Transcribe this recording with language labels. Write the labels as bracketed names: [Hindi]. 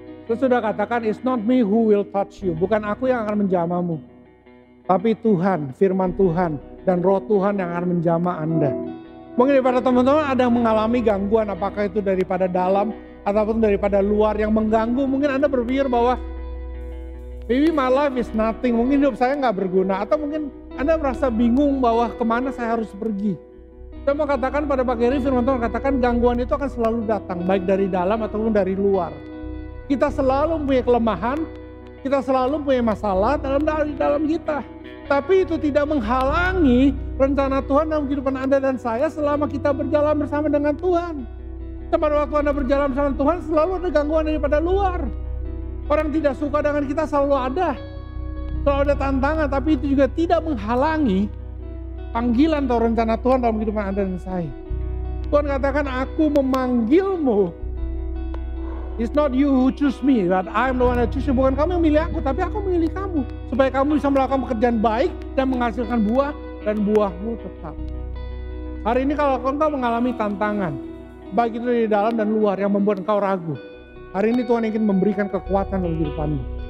[Indonesian] Saya sudah katakan, [English] it's not me who will touch you. [Indonesian] Bukan aku yang akan menjamamu. Tapi Tuhan, firman Tuhan, dan roh Tuhan yang akan menjama Anda. Mungkin daripada teman-teman ada yang mengalami gangguan, apakah itu daripada dalam ataupun daripada luar yang mengganggu. Mungkin Anda berpikir bahwa, [English] maybe my life is nothing, [Indonesian] mungkin hidup saya gak berguna. Atau mungkin Anda merasa bingung bahwa kemana saya harus pergi. Saya mau katakan pada pagi hari, firman Tuhan katakan gangguan itu akan selalu datang, baik dari dalam ataupun dari luar. Kita selalu punya kelemahan, kita selalu punya masalah dalam kita. Tapi itu tidak menghalangi rencana Tuhan dalam kehidupan Anda dan saya selama kita berjalan bersama dengan Tuhan. Pada waktu Anda berjalan bersama Tuhan, selalu ada gangguan daripada luar. Orang tidak suka dengan kita selalu ada. Selalu ada tantangan, tapi itu juga tidak menghalangi panggilan atau rencana Tuhan dalam kehidupan Anda dan saya. Tuhan katakan, aku memanggilmu. [English] It's not you who choose me, but I'm the one that choose you. [Indonesian] Bukan kamu yang milih aku, tapi aku milih kamu. Supaya kamu bisa melakukan pekerjaan baik dan menghasilkan buah, dan buahmu tetap. Hari ini kalau engkau mengalami tantangan, baik itu di dalam dan luar yang membuat engkau ragu, hari ini Tuhan ingin memberikan kekuatan dalam kehidupanmu.